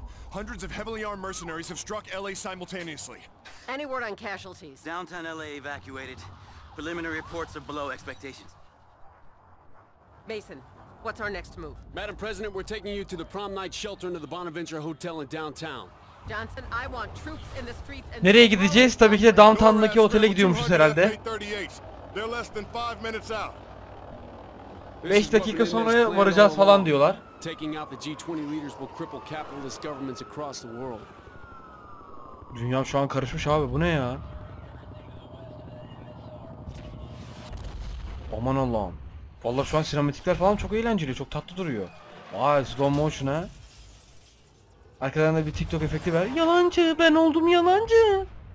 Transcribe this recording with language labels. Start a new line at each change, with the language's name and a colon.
English: Hundreds of heavily armed mercenaries have struck LA simultaneously. Any word on casualties? Downtown LA evacuated. Preliminary reports are below expectations. Mason, what's our next move? Madam President, we're taking you to the prom night shelter under the Bonaventure Hotel in downtown. Johnson, I want troops in the streets and
Turkish: Nereye gideceğiz? Tabii ki de downtown'daki otele gidiyormuşuz herhalde.
English: They're less than 5 minutes out.
Turkish: 5 dakika sonra varacağız falan diyorlar.
English: Taking out the G20 leaders will cripple capitalist governments across the world.
Turkish: Dünya şu an karışmış abi, bu ne ya? Aman Allah'ım. Vallahi şu an sinematikler falan çok eğlenceli, çok tatlı duruyor. Vay, slow motion ha. Arkadan da bir TikTok efekti ver. Yalancı, ben oldum yalancı.